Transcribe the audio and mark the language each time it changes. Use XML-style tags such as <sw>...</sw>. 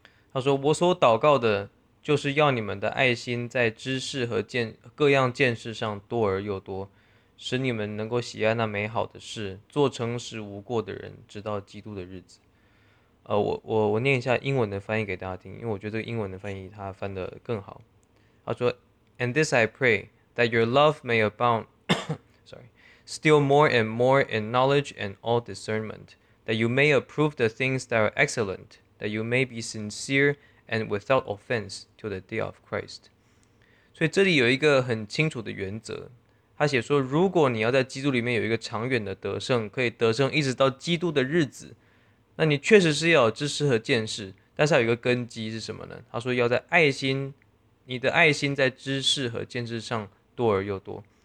<zh>他说：“我所祷告的，就是要你们的爱心在知识和各样见识上多而又多，使你们能够喜爱那美好的事，做诚实无过的人，直到基督的日子。 ”我念一下英文的翻译给大家听，因为我觉得这个英文的翻译它翻得更好。他说：“</zh> <en>And this I pray that your love may abound, sorry, still more and more in knowledge and all discernment, that you may approve the things that are excellent.” That you may be sincere and without offense till the day of Christ。</en> <zh>所以这里有一个很清楚的原则，他写说，如果你要在基督里面有一个长远的得胜，可以得胜一直到基督的日子，那你确实是要有知识和见识，但是还有一个根基是什么呢？他说要在爱心，你的爱心在知识和见识上多而又多。</zh>